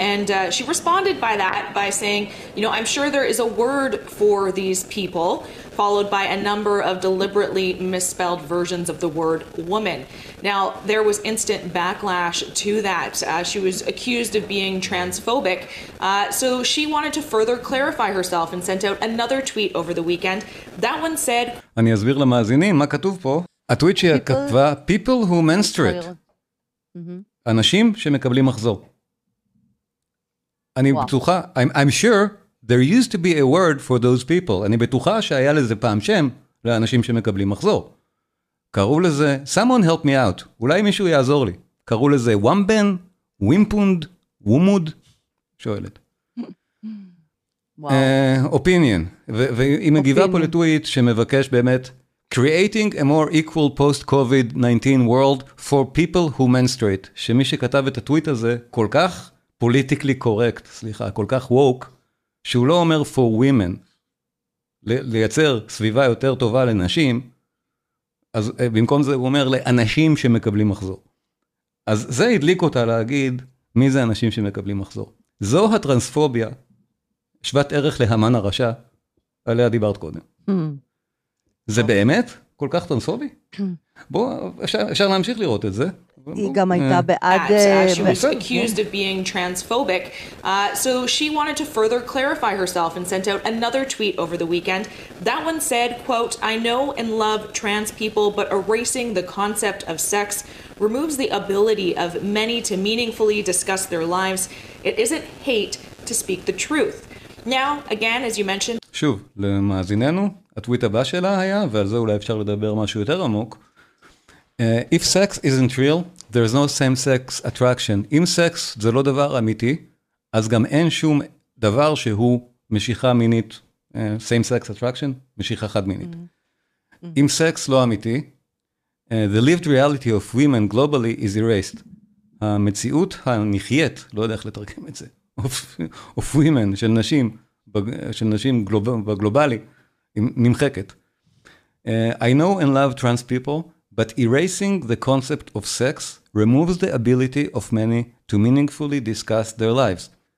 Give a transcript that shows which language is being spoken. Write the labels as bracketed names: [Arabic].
[English] And she responded by that by saying, you know, I'm sure there is a word for these people, followed by a number of deliberately misspelled versions of the word woman. Now, there was instant backlash to that. She was accused of being transphobic. So she wanted to further clarify herself and sent out another tweet over the weekend. That one said, [Hebrew] אני אסביר למאזינים, מה כתוב פה? הטוויט שהיא כתבה, [English] people who menstruate. [Hebrew] אנשים שמקבלים מחזור. אני בטוחה, [English] I'm sure there used to be a word for those people. [Hebrew] אני בטוחה שהיה לזה פעם שם לאנשים שמקבלים מחזור. קראו לזה, [English] someone help me out. [Hebrew] אולי מישהו יעזור לי. קראו לזה וומבן, וימפונד, וומוד, שואלת. אופיניון. והיא מגיבה פה לטוויט שמבקש באמת, [English] creating a more equal post-COVID-19 world for people who menstruate, [Hebrew] שמי שכתב את הטוויט הזה, כל כך [English] politically correct, [Hebrew] סליחה, כל כך woke, שהוא לא אומר [English] for women, [Hebrew] לייצר סביבה יותר טובה לנשים, אז במקום זה הוא אומר לאנשים שמקבלים מחזור. אז זה הדליק אותה להגיד, מי זה אנשים שמקבלים מחזור. זו הטרנספוביה, שוות ערך להמן הרשע, עליה דיברת קודם. זה באמת כל כך טרנספובי? בוא, אפשר להמשיך לראות את זה. היא גם הייתה בעד... [English] She was accused of being transphobic. So she wanted to further clarify herself and sent out another tweet over the weekend. That one said, quote, I know and love trans people, but erasing the concept of sex removes the ability of many to meaningfully discuss their lives. It isn't hate to speak the truth. Now, again, as you mentioned... [Hebrew] שוב, למאזיננו, הטוויט הבא שלה היה, ועל זה אולי אפשר לדבר משהו יותר עמוק, [English] if sex isn't real, there's no same-sex attraction. [Hebrew] אם סקס זה לא דבר אמיתי, אז גם אין שום דבר שהוא משיכה מינית, [English] same-sex attraction, [Hebrew] משיכה חד מינית. אם סקס לא אמיתי, [English] the lived reality of women globally is erased. [Hebrew] המציאות הנחיית, לא יודע איך לתרקם את זה, [English] of women, [Hebrew] של נשים, של נשים בגלובלי, נמחקת. [English] I know and love trans people, but erasing the concept of sex removes the ability of many to meaningfully discuss their lives.